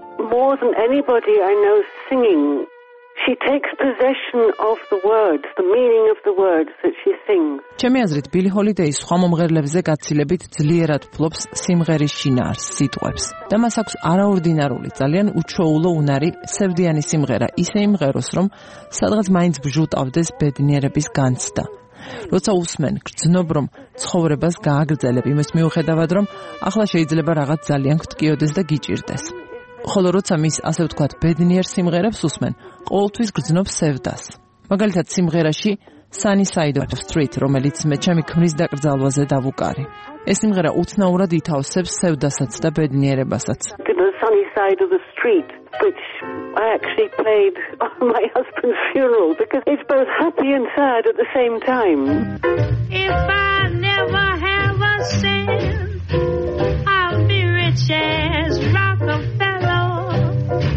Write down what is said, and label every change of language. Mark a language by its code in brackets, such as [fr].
[en] More than anybody I know singing, she takes possession of the words, the meaning of the words that she sings. [ka] ჩემი აზრით, ბილი ჰოლიდეი სხვა მომღერლებზე გაცილებით ძლიერად ფლობს სიმღერის შინაარს, სიტყვებს. და მას აქვს არაორდინარული, ძალიან უჩვეულო უნარი, სევდიანი სიმღერა, ისე იმღეროს, რომ სადღაც მაინც ბჟუტავდეს ბედნიერების განცდა. როცა უსმენ, გრძნობ, რომ ცხოვრებას გააგრძელებ, იმის მიუხედავად, რომ ახლა შეიძლება რაღაც ძალიან გთკიოდეს და გიჭირდეს. ხოლო როცა მის ასე ვთქვათ ბედნიერ სიმღერებს უსმენ, ყოველთვის გრძნობს სევდას. მაგალითად სიმღერაში Sunny Side of the Street, რომელიც მე ჩემი ქმრის დაკრძალვაზე დავუკარი. ეს სიმღერა უცნაურად ითავსებს სევდასაც და ბედნიერებასაც. [en] Sunny Side of the Street, which I actually played on my husband's funeral because it's both happy and sad at the same time. If I never have a cent, I'll be rich as Rockefeller.